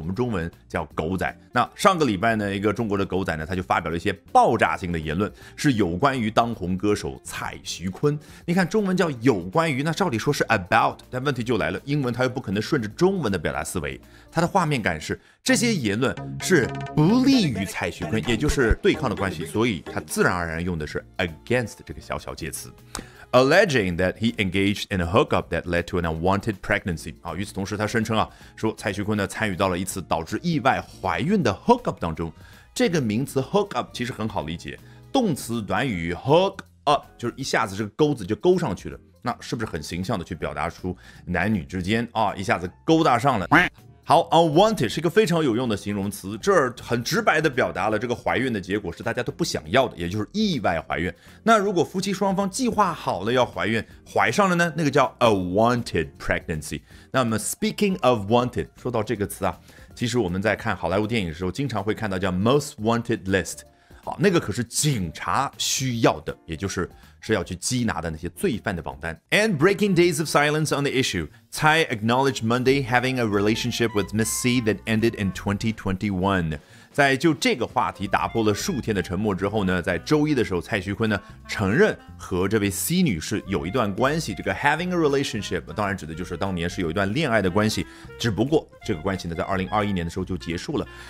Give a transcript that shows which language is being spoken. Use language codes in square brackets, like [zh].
[zh] 我们中文叫狗仔。那上个礼拜呢，一个中国的狗仔呢，他就发表了一些爆炸性的言论，是有关于当红歌手蔡徐坤。你看，中文叫有关于，那照理说是 about， 但问题就来了，英文他又不可能顺着中文的表达思维，他的画面感是。这些言论是不利于蔡徐坤，也就是对抗的关系，所以他自然而然用的是 against 这个小小介词。 [en] Alleging that he engaged in a hookup that led to an unwanted pregnancy. [zh] 与此同时他声称啊，说蔡徐坤呢参与到了一次导致意外怀孕的 hookup 当中。这个名词 hookup 其实很好理解，动词短语 hook up 就是一下子这个钩子就勾上去了，那是不是很形象的去表达出男女之间啊一下子勾搭上了。好 ，unwanted 是一个非常有用的形容词，这很直白的表达了这个怀孕的结果是大家都不想要的，也就是意外怀孕。那如果夫妻双方计划好了要怀孕，怀上了呢，那个叫 [en] a wanted pregnancy。 [zh] 那么 [en] speaking of wanted， [zh] 说到这个词啊，其实我们在看好莱坞电影的时候，经常会看到叫 [en] most wanted list。 [zh] 好，那个可是警察需要的，也就是是要去缉拿的那些罪犯的榜单。 [en] And breaking days of silence on the issue, Tsai acknowledged Monday having a relationship with Miss C that ended in 2021. [zh] 在就这个话题打破了数天的沉默之后呢，在周一的时候，蔡徐坤呢承认和这位 C 女士有一段关系。这个 [en] having a relationship [zh] 当然指的就是当年是有一段恋爱的关系，只不过这个关系呢在2021年的时候就结束了。